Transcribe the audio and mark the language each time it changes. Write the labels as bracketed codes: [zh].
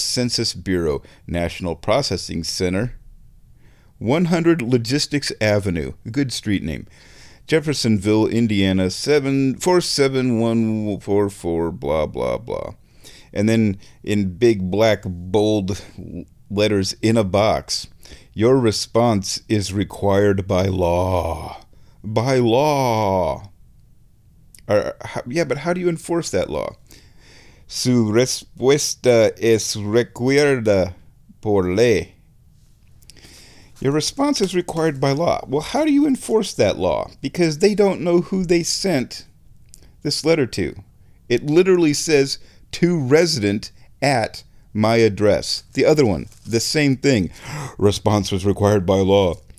[en] Census Bureau, National Processing Center, 100 Logistics Avenue, good street name, Jeffersonville, Indiana, 47144, blah, blah, blah. And then in big black bold letters in a box, your response is required by law. By law. But how do you enforce that law? [es] Su respuesta es requerida por ley. [en] Your response is required by law. Well, how do you enforce that law? Because they don't know who they sent this letter to. It literally says, to resident at my address. The other one, the same thing. Response was required by law.